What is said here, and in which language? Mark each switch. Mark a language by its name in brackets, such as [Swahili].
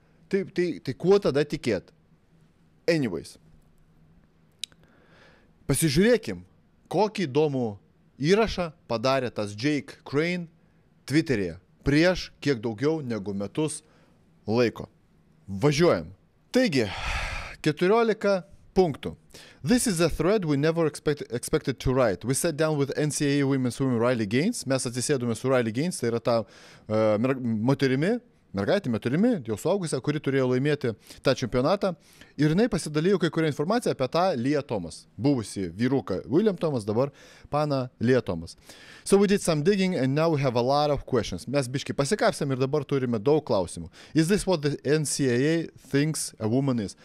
[Lithuanian] Tai kuo tada tikėt? [English] Anyways. [Lithuanian] Pasižiūrėkim, kokį įdomų įrašą padarė tas Jake Crane Twitter'e prieš kiek daugiau negu metus laiko. Važiuojam. Taigi, 14 punktų. [English] This is a thread we never expected to write. We sat down with NCAA Women's Swimmer Riley Gaines. [Lithuanian] Mes atsisėdome su Riley Gaines, tai yra ta mergaitė, jau suaugusia, kuri turėjo laimėti tą čempionatą. Ir jinai pasidalėjo kai kurią informaciją apie tą Lia Thomas. Buvusi vyruką William Thomas, dabar pana Lia Thomas. [English] So we did some digging and now we have a lot of questions. [Lithuanian] Mes biškai pasikapsėm ir dabar turime daug klausimų. [English] Is this what the NCAA thinks a woman is?